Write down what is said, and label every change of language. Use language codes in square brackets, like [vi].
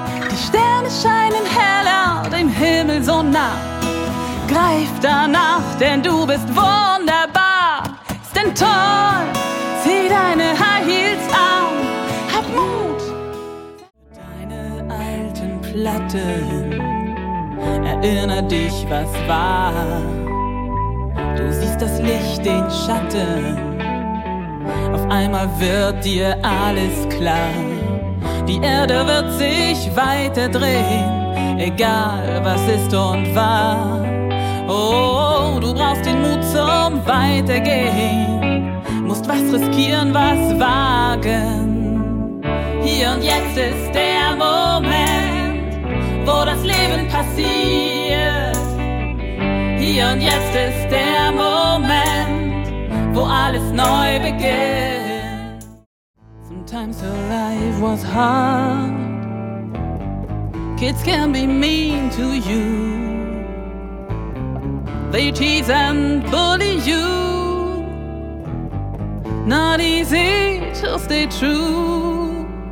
[de] Die Sterne scheinen heller, dem Himmel so nah. Greif danach, denn du bist wunderbar. Ist denn toll, zieh deine High Heels an. Hab Mut! Deine alten Platten, erinnere dich, was war. Du siehst das Licht, den Schatten, auf einmal wird dir alles klar. Die Erde wird sich weiter drehen, egal was ist und war. Oh, du brauchst den Mut zum Weitergehen, musst was riskieren, was wagen. Hier und jetzt ist der Moment, wo das Leben passiert. Hier und jetzt ist der Moment, wo alles neu beginnt. [en] Sometimes your life was hard, kids can be mean to you. They tease and bully you, not easy to stay true.